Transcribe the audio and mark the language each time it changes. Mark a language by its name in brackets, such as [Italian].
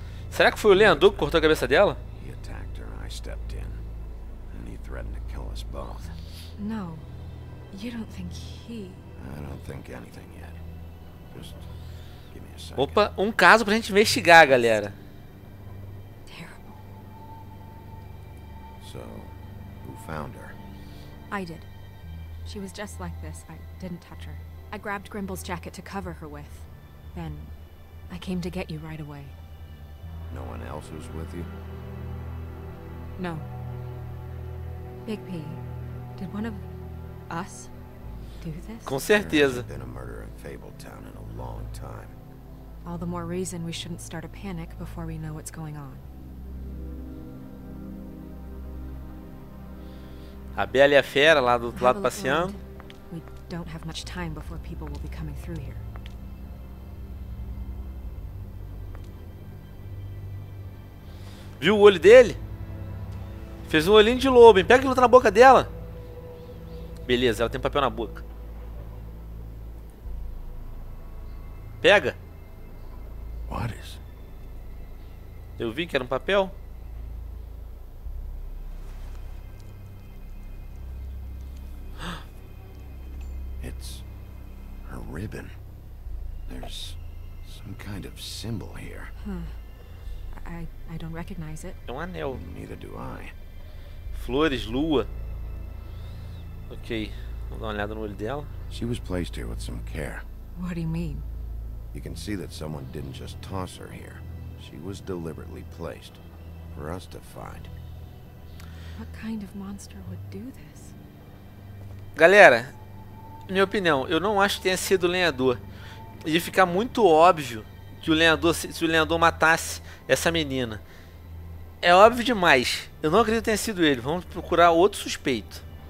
[Portuguese] Será que foi o Leandro que cortou a cabeça dela? [English] He attacked her, I stepped in. Threatened to kill us both. No, you don't think he. I don't think anything yet. Just give me a second. [Portuguese] Opa, caso pra gente investigar, galera. [English] Terrible. So, who found her? I did. She was just like this. I didn't touch her. I grabbed Grimble's jacket to cover her with. Then, I came to get you right away. No one else was with you? No. Bigby, did one of us do this? [Portuguese] Com certeza. [English] Been a murder in Fable Town in a long time. All the more reason we shouldn't start a panic before we know what's going on. [Portuguese] A Bela e a Fera lá do lado passeando. [English] We don't have much time before people will be coming through here. [Portuguese] Viu o olho dele? Fez um olhinho de lobo, hein? Pega e luta na boca dela. Beleza, ela tem um papel na boca. Pega. [English] What is? [Portuguese] Eu vi que era um papel. [English] It's a ribbon. There's some kind of symbol here. I don't recognize it. [Portuguese] É um anel. [English] Neither do I. [Portuguese] Flores, lua. Ok, vamos dar uma olhada no olho dela. [English] She was placed here with some care. What do you mean? You can see that someone didn't just toss her here. She was deliberately placed for us to find. What kind of monster would do this? [Portuguese] Galera, minha opinião, eu não acho que tenha sido o lenhador. Ia ficar muito óbvio que o lenhador, se o lenhador matasse essa menina. É óbvio demais. Eu não acredito que tenha sido ele. Vamos procurar outro suspeito.